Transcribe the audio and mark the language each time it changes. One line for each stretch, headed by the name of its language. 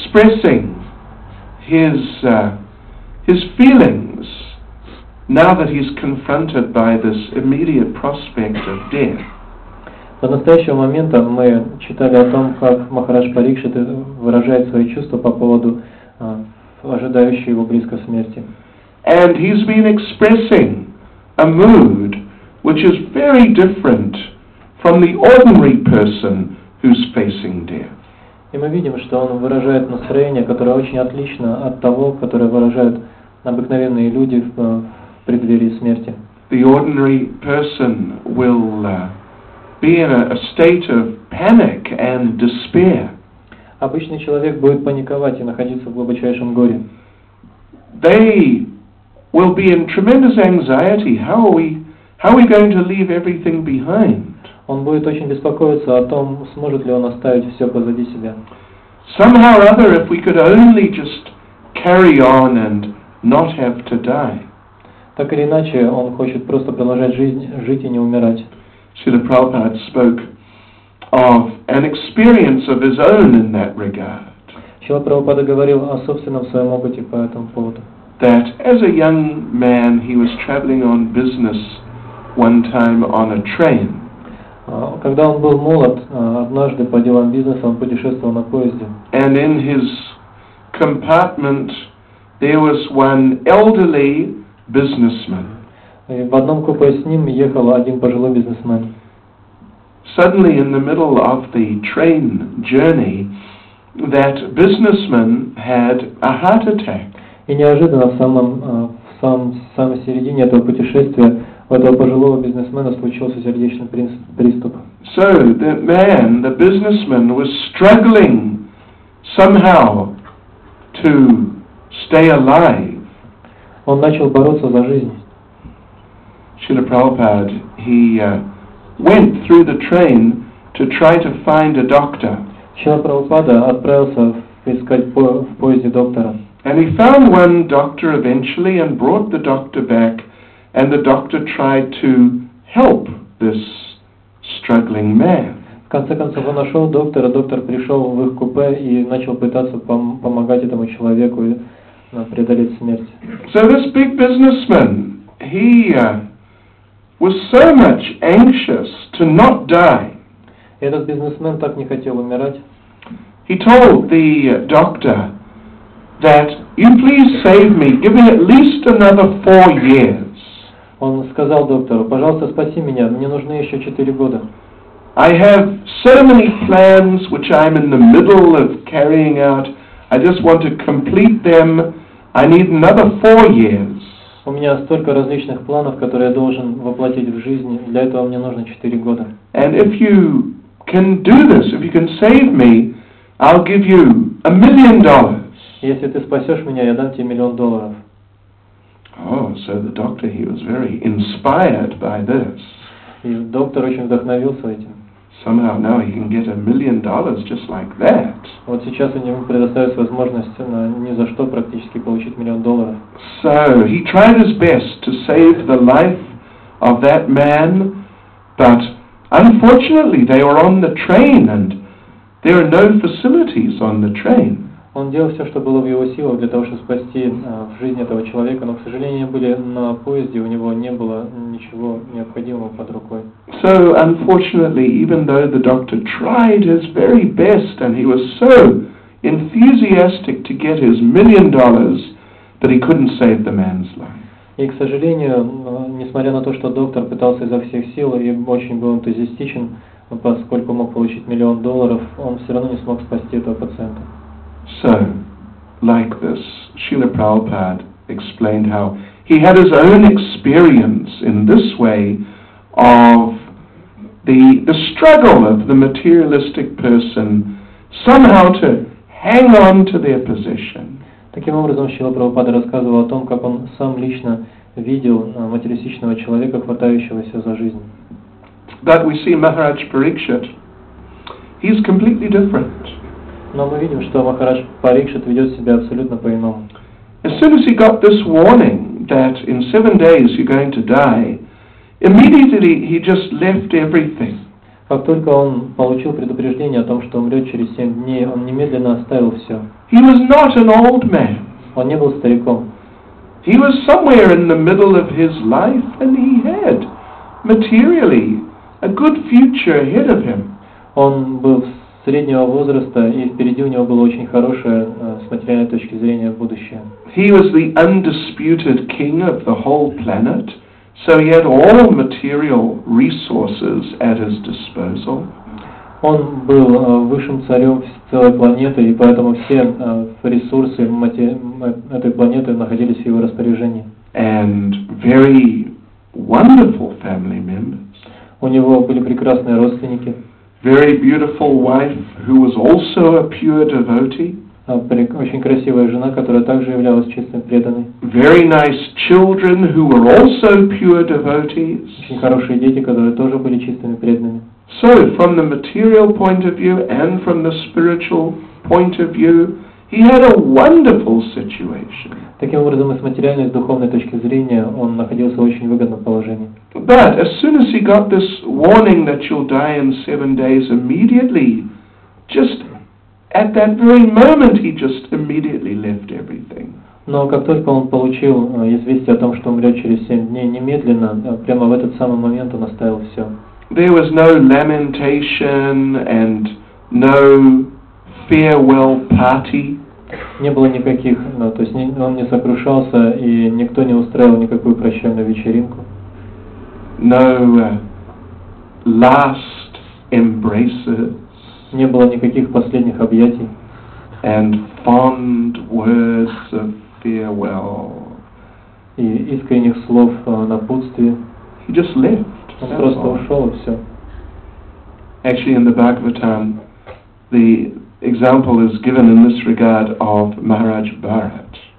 English: expressing his feelings now that he's confronted by this immediate prospect of death.
Russian: До настоящего момента мы читали о том, как Махарадж Парикшит выражает свои чувства по поводу ожидающей его близкой смерти.
English: And he's been expressing a mood which is very different from the ordinary person who's facing death.
Russian: И мы видим, что он выражает настроение, которое очень отлично от того, которое выражают обыкновенные люди в преддверии смерти.
English: The ordinary person will be in a state of panic and despair.
Russian: Обычный человек будет паниковать и находиться в глубочайшем горе.
English: They will be in tremendous anxiety. How are we going to leave everything behind?
Russian: Он будет очень беспокоиться о том, сможет ли он оставить все позади себя.
English: Somehow or other, if we could only just carry on and not have to die.
Russian: Так или иначе, он хочет просто продолжать жизнь, жить и не умирать.
English: Srila Prabhupada spoke of an experience of his own in that regard.
Russian: Srila Prabhupada говорил о собственном своем опыте по этому поводу.
English: That as a young man he was traveling on business one time on a train.
Russian: Когда он был молод, однажды по делам бизнеса он путешествовал на поезде.
English: And in his compartment there was one elderly businessman.
Russian: И в одном купе с ним ехал один пожилой бизнесмен.
English: Suddenly in the middle of the train journey that businessman had a heart attack.
Russian: И неожиданно в самой середине этого путешествия у этого пожилого бизнесмена случился сердечный приступ.
English: So the man, the businessman, was struggling somehow to stay alive.
Russian: Он начал бороться за жизнь.
English: Srila Prabhupada, he went through the train to try to find a doctor.
Russian: Srila Prabhupada отправился искать в поезде доктора.
English: And he found one doctor eventually and brought the doctor back, and the doctor tried to help this struggling man.
Russian: В конце концов, он нашел доктора, доктор пришел в их купе и начал пытаться помогать этому человеку преодолеть смерть.
English: So this big businessman, he was so much anxious to not die.
Russian: Этот бизнесмен так не хотел умирать.
English: He told the doctor that you please save me, give me at least another 4 years.
Russian: Он сказал доктору, пожалуйста, спаси меня, мне нужны еще 4 года.
English: I have so many plans which I'm in the middle of carrying out. I just want to complete them. I need another 4 years.
Russian: У меня столько различных планов, которые я должен воплотить в жизнь. Для этого мне нужно 4 года.
English: And if you can do this, if you can save me, I'll give you $1 million.
Russian: Если ты спасешь меня, я дам тебе $1 million.
English: Oh, so the doctor, he was very inspired by this.
Russian: И доктор очень вдохновился этим.
English: Somehow now he can get $1 million just like that.
Russian: Вот сейчас у него предоставится возможность на ни за что практически получить $1 million.
English: So he tried his best to save the life of that man, but unfortunately they were on the train and there are no facilities on the train.
Russian: Он делал все, что было в его силах для того, чтобы спасти жизнь этого человека, но, к сожалению, были на поезде, у него не было ничего необходимого под рукой.
English: So, unfortunately, even though the doctor tried his very best and he was so enthusiastic to get his $1 million, but he couldn't save the man's life.
Russian: И, к сожалению, несмотря на то, что доктор пытался изо всех сил и очень был энтузиастичен, поскольку мог получить $1 million, он все равно не смог спасти этого пациента.
English: So, like this, Srila Prabhupada explained how he had his own experience in this way of the struggle of the materialistic person somehow to hang on to their position.
Russian: Таким образом, Srila Prabhupada рассказывал о том, как он сам лично видел материалистичного человека, хватающегося за жизнь.
English: But we see Maharaj Parikshit, he's completely different.
Russian: Но мы видим, что Махарадж Парикшит ведет себя абсолютно по-иному.
English: As soon as he got this warning that in 7 days you're going to die, immediately he just left everything.
Russian: Как только он получил предупреждение о том, что умрет через 7 дней, он немедленно оставил все.
English: He was not an old man.
Russian: Он не был стариком.
English: He was somewhere in the middle of his life, and he had materially a good future ahead of him.
Russian: Он был среднего возраста, и впереди у него было очень хорошее с материальной точки зрения будущее.
English: He was the undisputed king of the whole planet. So he had all material resources at his disposal.
Russian: Он был высшим царем целой планеты, и поэтому все ресурсы этой планеты находились в его распоряжении.
English: And very wonderful family members.
Russian: У него были прекрасные родственники.
English: Very beautiful wife who was also a pure devotee.
Russian: Очень красивая жена, которая также являлась чистой преданной.
English: Very nice children who were also pure devotees.
Russian: Очень хорошие дети, которые тоже были чистыми преданными.
English: So, from the material point of view and from the spiritual point of view, he had a wonderful situation.
Russian: Таким образом, с материальной и с духовной точки зрения, он находился в очень выгодном положении.
English: But as soon as he got this warning that you'll die in 7 days, immediately, just at that very moment, he just immediately left everything.
Russian: Но как только он получил известие о том, что умрет через 7 дней, немедленно, прямо в этот самый момент, он оставил все.
English: There was no lamentation and no farewell party.
Russian: Не было никаких, то есть он не сокрушался, и никто не устраивал никакую прощальную вечеринку.
English: No last embraces.
Russian: Не было никаких последних объятий.
English: And fond words of farewell.
Russian: И искренних слов напутствия.
English: He just left.
Russian: Он просто ушел, и все.
English: Actually, in the Bhagavatam, the example is given in this regard of Maharaj Bharat.